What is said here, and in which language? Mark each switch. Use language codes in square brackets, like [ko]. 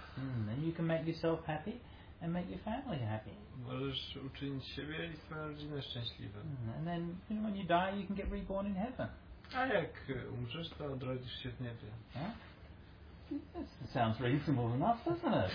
[en] And you can make yourself happy and make your family happy. [pl] Możesz uczynić siebie i swoją rodzinę szczęśliwe. [en] And then, you know, when you die, you can get reborn in heaven. [pl] A jak umrzesz, to odrodzisz się w niebie. [en] That sounds reasonable enough, doesn't it?